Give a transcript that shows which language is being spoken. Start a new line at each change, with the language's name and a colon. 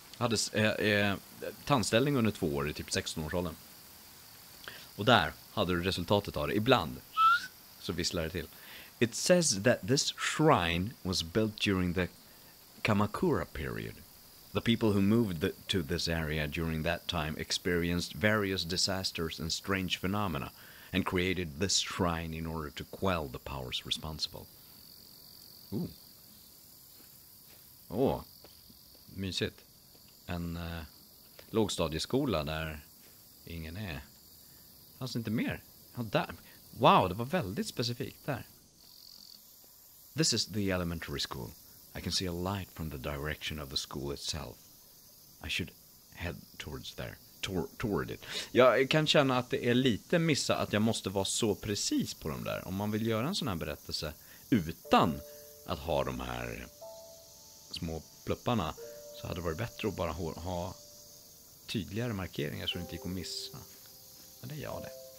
Swedish: Jag hade tandställning under 2 år i typ 16-årsåldern. Och där hade du resultatet av det. Ibland så visslar det till.
English: It says that this shrine was built during the Kamakura period. The people who moved to this area during that time experienced various disasters and strange phenomena and created this shrine in order to quell the powers responsible.
Swedish: Ooh. Åh, mysigt. En lågstadieskola där ingen är. Fanns inte mer? Ja, där. Wow, det var väldigt specifikt där.
English: This is the elementary school. I can see a light from the direction of the school itself. I should head towards there. Toward it.
Swedish: Jag kan känna att det är lite missa att jag måste vara så precis på dem där. Om man vill göra en sån här berättelse utan att ha de här små plupparna, så hade det varit bättre att bara ha tydligare markeringar så det inte gick att missa. Men det är jag det.